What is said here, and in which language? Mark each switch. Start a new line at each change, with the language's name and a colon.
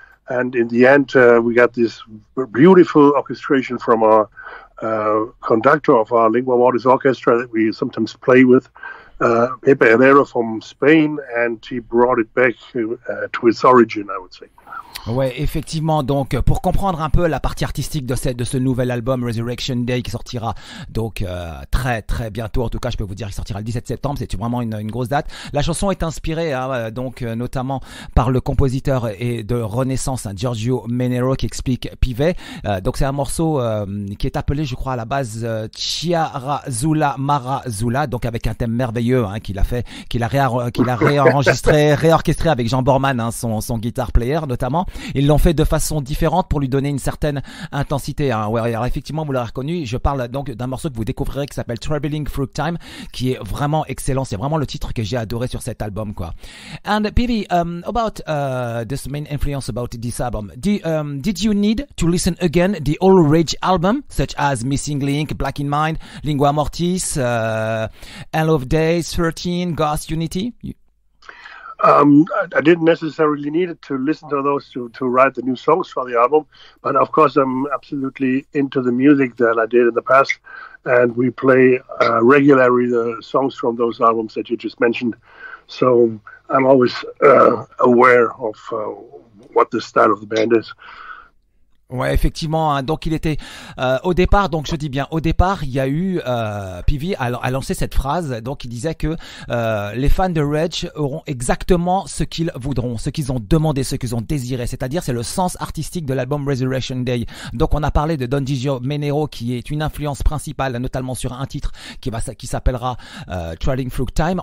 English: And in the end, we got this beautiful orchestration from our conductor of our Lingua Mortis Orchestra that we sometimes play with, Pepe Herrero from Spain, and he brought it back to its origin, I would say.
French: Ouais, effectivement. Donc, pour comprendre un peu la partie artistique de ce nouvel album Resurrection Day qui sortira donc très très bientôt. En tout cas, je peux vous dire qu'il sortira le 17 septembre. C'est vraiment une grosse date. La chanson est inspirée notamment par le compositeur et de Renaissance, hein, Giorgio Manerio, qui explique Pivet. Donc, c'est un morceau qui est appelé, je crois, à la base Chiarazula Marazula. Donc, avec un thème merveilleux qu'il a réorchestré avec Jean Borman, hein, son
English: guitar player.
French: Notamment, ils l'ont fait de façon différente pour lui donner une certaine intensité. Hein. Ouais, alors effectivement, vous l'aurez reconnu, je parle donc d'un morceau que vous découvrirez qui s'appelle Traveling Through Time, qui est vraiment excellent. C'est vraiment le titre que j'ai adoré sur cet album, quoi.
English: And Peavy, about this main influence about this album, did you need to listen again the old Rage album, such as Missing Link, Black in Mind, Lingua Mortis, End of Days, 13, Ghost Unity? I didn't necessarily need it to listen to those to write the new songs for the album, but of course I'm absolutely into the music that I did in the past, and we play regularly the songs from those albums that you just mentioned, so I'm always aware of what the style of the band is.
French: Ouais, effectivement. Hein. Donc, il était au départ. Donc, je dis bien au départ, il y a eu Peavy a lancé cette phrase. Donc, il disait que les fans de Rage auront exactement ce qu'ils voudront, ce qu'ils ont demandé, ce qu'ils ont désiré. C'est-à-dire, c'est le sens artistique de l'album Resurrection Day. Donc, on a parlé de Don Giorgio Manerio, qui est une influence principale, notamment sur un titre qui s'appellera Traveling Through Time.